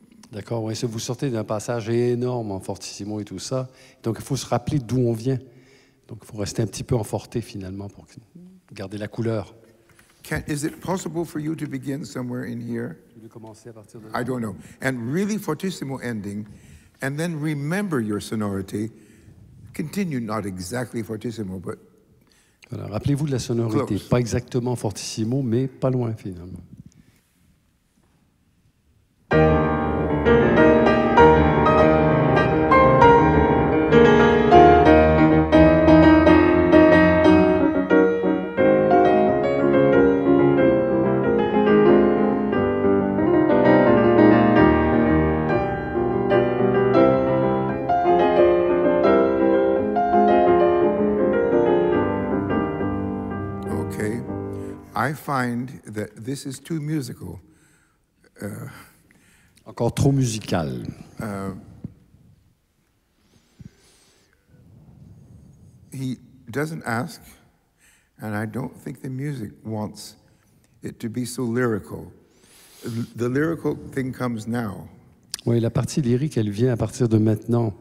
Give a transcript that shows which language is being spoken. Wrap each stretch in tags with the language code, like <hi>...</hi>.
<fr>D'accord, oui, vous sortez d'un passage énorme en fortissimo et tout ça. Donc il faut se rappeler d'où on vient. Donc il faut rester un petit peu en forte finalement pour garder la couleur.</fr> <en>Is it possible for you to begin somewhere in here? I don't know. And really fortissimo ending, and then remember your sonority. Continue, not exactly fortissimo, but.</en> <fr>Alors, rappelez-vous de la sonorité, pas exactement fortissimo, mais pas loin finalement.</fr> <en>Close. I find that this is too musical.</en> <fr>Encore trop musical.</fr> <en>He doesn't ask, and I don't think the music wants it to be so lyrical. The lyrical thing comes now.</en> <fr>Oui, la partie lyrique, elle vient à partir de maintenant.</fr>